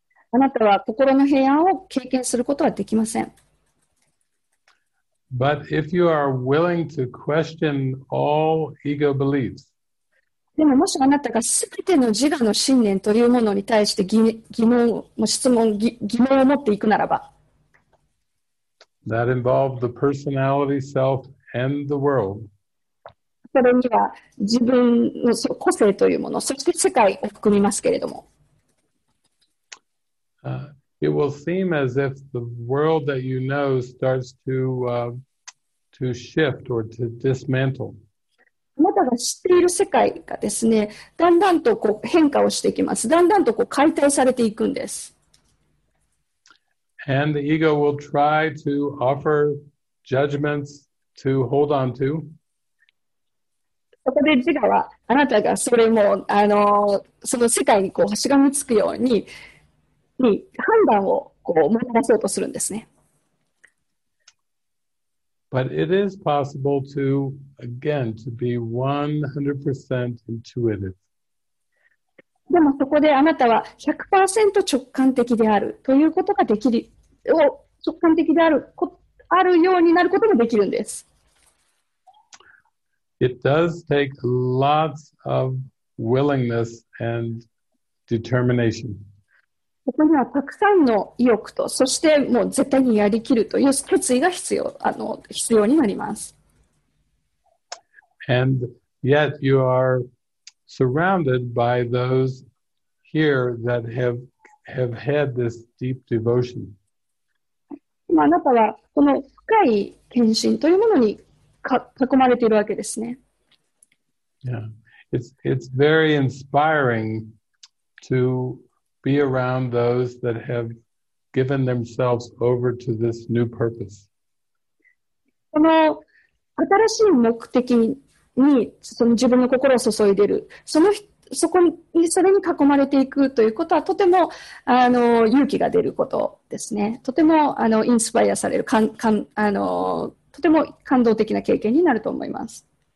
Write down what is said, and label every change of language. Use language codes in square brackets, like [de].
[ja] あなたは心の平安を経験することはできません。 [en] But if you are willing to question all ego beliefs, [ja] でももしあなたがすべての自我の信念というものに対して疑問を持っていくならば、 [en] that involves the personality, self, and the world. [ja] それには自分の個性というもの、そして世界を含みますけれども、 [en] It will seem as if the world that you know starts to shift or to dismantle. [ja] あなたが知っている世界がですね、だんだんとこう変化をしていきます。だんだんとこう解体されていくんです。 [en] And the ego will try to offer judgments to hold on to. [ja] そこで自我はあなたがそれもその世界にこうしがみつくように判断をこう持ち出そうとするんですね。 [en] But it is possible to again to be 100% intuitive. [ja] でもそこであなたは 100% 直感的であるということができる、を直感的であるこあるようになることもできるんです。 [en] It does take lots of willingness and determination. [ja] ここにはたくさんの意欲と、そしてもう絶対にやりきるという決意が必要になります。 [en] And yet you are surrounded by those here that have had this deep devotion. [ja] あなたはこの深い献身というものに囲まれているわけですね。 [en] Yeah, it's very inspiring to be around those that have given themselves over to this new purpose. [ja] この新しい目的にその自分の心を注いでいる、そこにそれに囲まれていくということはとても勇気が出ることですね。とてもインスパイアされる、とても感動的な経験になると思います。